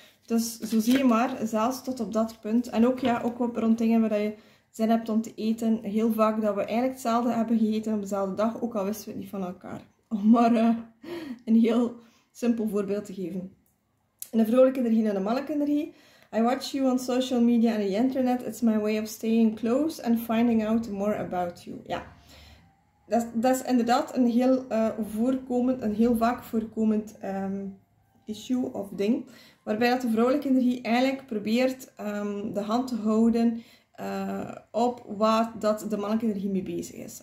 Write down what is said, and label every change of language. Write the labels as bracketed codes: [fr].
[nl] Dus zo zie je maar, zelfs tot op dat punt, en ook, ja, ook op rond dingen waar je... zin hebt om te eten, heel vaak dat we eigenlijk hetzelfde hebben gegeten op dezelfde dag, ook al wisten we het niet van elkaar. Om maar een heel simpel voorbeeld te geven. En de vrouwelijke energie en de mannelijke energie. [en] I watch you on social media and the internet. It's my way of staying close and finding out more about you. [nl] Ja, dat is inderdaad een heel voorkomend, een heel vaak voorkomend issue of ding. Waarbij dat de vrouwelijke energie eigenlijk probeert de hand te houden op wat dat de mannelijke energie mee bezig is.